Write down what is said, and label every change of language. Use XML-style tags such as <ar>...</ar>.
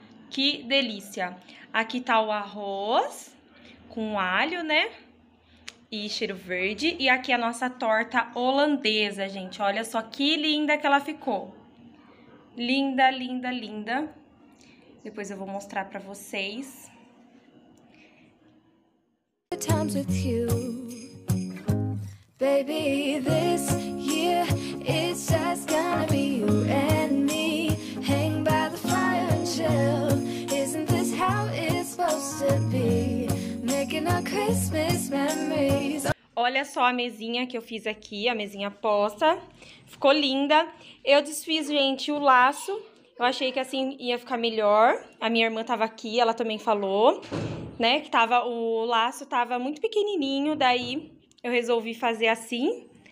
<pt>Que delícia. Aqui tá o arroz com alho, né? E cheiro verde. E aqui a nossa torta holandesa, gente. Olha só que linda que ela ficou. Linda, linda, linda. Depois eu vou mostrar pra vocês.</pt> <en>Times with you, baby, this year it's just gonna be you and me. Hang by the fire and chill. Isn't this how it's supposed to be? Making our Christmas memories.</en> <pt>Olha só a mesinha que eu fiz aqui, a mesinha posta. Ficou linda. Eu desfiz, gente, o laço. Eu achei que assim ia ficar melhor. A minha irmã tava aqui, ela também falou, né? Que tava, o laço tava muito pequenininho, daí eu resolvi fazer assim.</pt>